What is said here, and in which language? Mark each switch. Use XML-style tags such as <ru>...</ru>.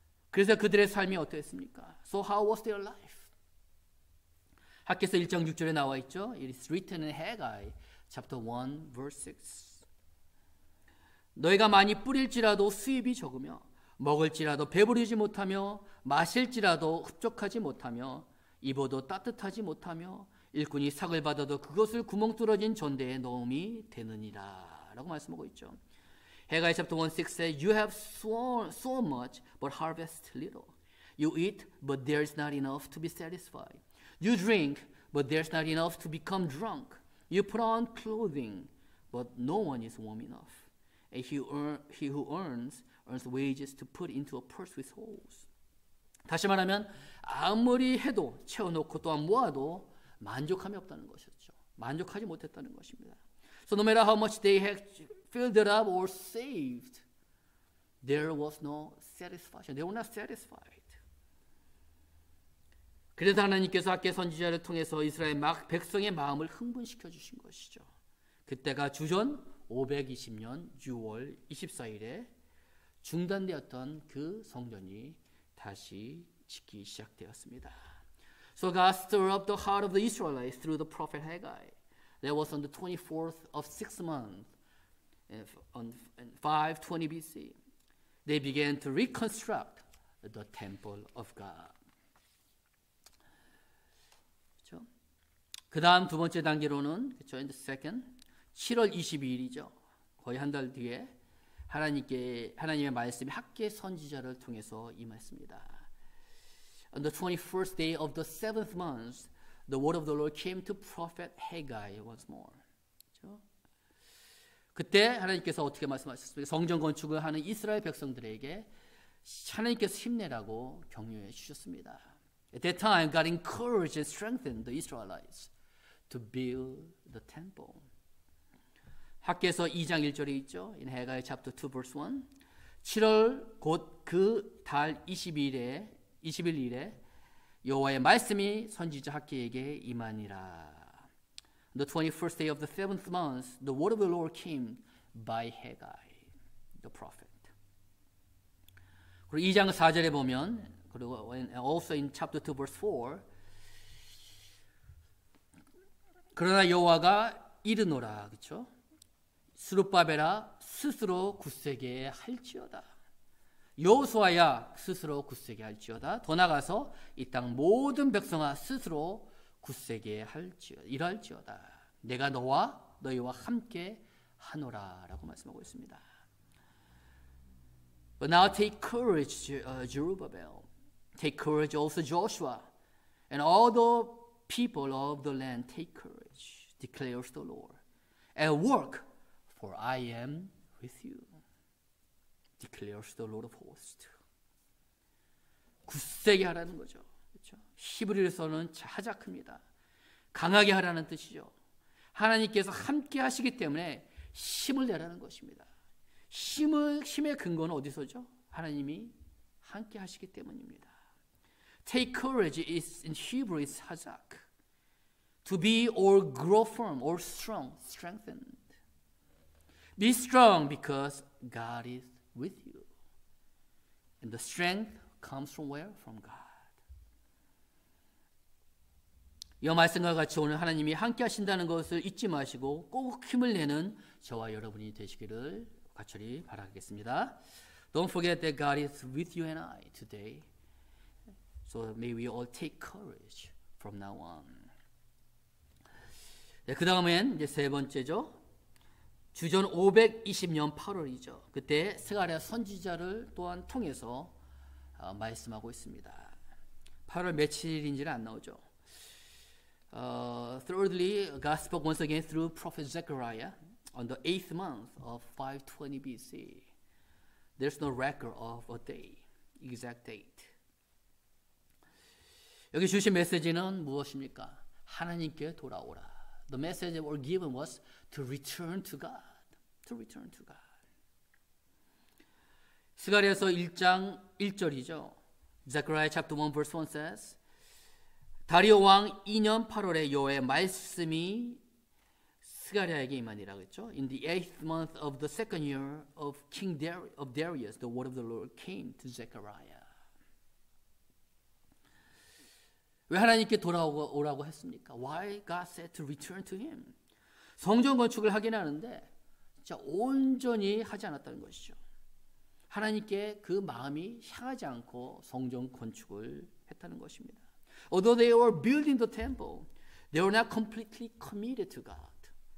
<ko>그래서 그들의 삶이 어떠했습니까?</ko> <en>So how was their life?</en> <ko>학계서 1장 6절에 나와 있죠.</ko> <en>It is written in Haggai chapter 1 verse 6.</en> <ko>너희가 많이 뿌릴지라도 수입이 적으며 먹을지라도 배부르지 못하며 마실지라도 흡족하지 못하며 입어도 따뜻하지 못하며 일꾼이 삭을 받아도 그것을 구멍 뚫어진 전대에 넣음이 되느니라 라고 말씀하고 있죠.</ko> <en>Haggai chapter 1 6 says, You have sown much but harvest little. You eat but there is not enough to be satisfied. You drink but there is not enough to become drunk. You put on clothing but no one is warm enough. And he who earns wages to put into a purse with holes.</en> <ko>다시 말하면 아무리 해도 채워놓고 또한 모아도 만족함이 없다는 것이었죠. 만족하지 못했다는 것입니다.</ko> <en>So no matter how much they had filled it up or saved, there was no satisfaction. They were not satisfied.</en> <ko>그래서 하나님께서 학계 선지자를 통해서 이스라엘 막 백성의 마음을 흥분시켜 주신 것이죠. 그때가 주전 520년 6월 24일에 중단되었던 그 성전이 다시 짓기 시작되었습니다.</ko> <en>So God stirred up the heart of the Israelites through the prophet Haggai. That was on the 24th of 6th month, on 520 BC. They began to reconstruct the temple of God.</en> <ko>그렇죠? 그 다음 두 번째 단계로는, 그렇죠?</ko> <en>In the second,</en> <ko>7월 22일이죠. 거의 한 달 뒤에 하나님의 말씀이 학계 선지자를 통해서 임했습니다.</ko> <en>On the 21st day of the 7th month, the word of the Lord came to prophet Haggai once more.</en> <ko>그렇죠? 그때 하나님께서 어떻게 말씀하셨습니까? 성전 건축을 하는 이스라엘 백성들에게 하나님께서 힘내라고 격려해 주셨습니다.</ko> <en>At that time, God encouraged and strengthened the Israelites to build the temple.</en> <ko>학계서 2장 1절에 있죠.</ko> <en>In Haggai chapter 2 verse 1.</en> <ko>7월 곧 그 달 21일에 여호와의 말씀이 선지자 학계에게 임하니라.</ko> <en>The 21st day of the 7th month, the word of the Lord came by Haggai, the prophet.</en> <ko>그리고 2장 4절에 보면, 그리고</ko> <en>also in chapter 2 verse 4.</en> <ko>그러나 여호와가 이르노라, 그렇죠? 스룹바벨아 스스로 굳세게 할지어다. 여호수아야 스스로 굳세게 할지어다. 더 나가서 이 땅 모든 백성아 스스로 굳세게 할지어다. 내가 너와 너희와 함께 하노라 라고 말씀하고 있습니다.</ko> <en>But now take courage, Zerubbabel. Take courage also Joshua. And all the people of the land take courage, declares the Lord. And work. For I am with you, declares the Lord of hosts.</en> <ko>굳세게 하라는 거죠. 그렇죠? 히브리어에서는 하자크입니다. 강하게 하라는 뜻이죠. 하나님께서 함께 하시기 때문에 힘을 내라는 것입니다. 힘의 근거는 어디서죠? 하나님이 함께 하시기 때문입니다.</ko> <en>Take courage is in Hebrew is hazak. To be or grow firm or strong, strengthen. Be strong because God is with you. And the strength comes from where? From God.</en> <ko>이 말씀과 같이 오늘 하나님이 함께 하신다는 것을 잊지 마시고 꼭 힘을 내는 저와 여러분이 되시기를 간절히 바라겠습니다.</ko> <en>Don't forget that God is with you and I today. So may we all take courage from now on.</en> <ko>네, 그 다음엔 이제 세 번째죠. 주전 520년 8월이죠. 그때 스가랴 선지자를 또한 통해서 말씀하고 있습니다. 8월 며칠인지는 안 나오죠.</ko> <en>Thirdly, God spoke once again through Prophet Zechariah on the 8th month of 520 BC. There's no record of a day, exact date.</en> <ko>여기 주신 메시지는 무엇입니까? 하나님께 돌아오라.</ko> <en>The message that were given was to return to God. To return to God.</en> <ko>스가랴서 1장 1절이죠.</ko> <en>Zechariah chapter 1 verse 1 says,</en> <ko>다리오 왕 2년 8월에 여호와의 말씀이 스가랴에게 임하니라 그랬죠.</ko> <en>In the 8th month of the second year of King Darius, the word of the Lord came to Zechariah.</en> <ko>왜 하나님께 돌아오라고 했습니까?</ko> <en>Why God said to return to him?</en> <ko>성전 건축을 하긴 하는데 진짜 온전히 하지 않았다는 것이죠. 하나님께 그 마음이 향하지 않고 성전 건축을 했다는 것입니다.</ko> <en>Although they were building the temple, they were not completely committed to God.</en>